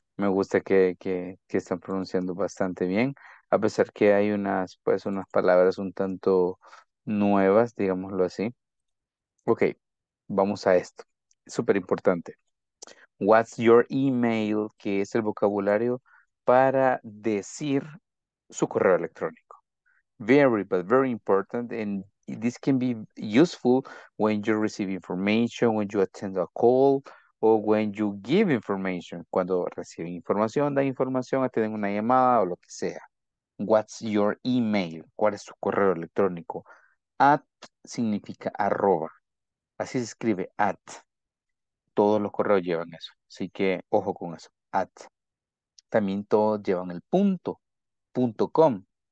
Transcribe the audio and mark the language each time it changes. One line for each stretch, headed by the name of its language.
Spanish: Me gusta que están pronunciando bastante bien, a pesar que hay unas, pues, unas palabras un tanto nuevas, digámoslo así. Ok, vamos a esto. Súper importante.
English: What's your email?
Spanish: Que es el vocabulario para decir su correo electrónico.
English: Very, but very important. And this can be useful when you receive information, when you attend a call, or when you give information.
Spanish: Cuando reciben información, da información, atienden una llamada o lo que sea.
English: What's your email?
Spanish: ¿Cuál es su correo electrónico? At significa arroba. Así se escribe, at. Todos los correos llevan eso. Así que, ojo con eso, at. También todos llevan el punto, punto com.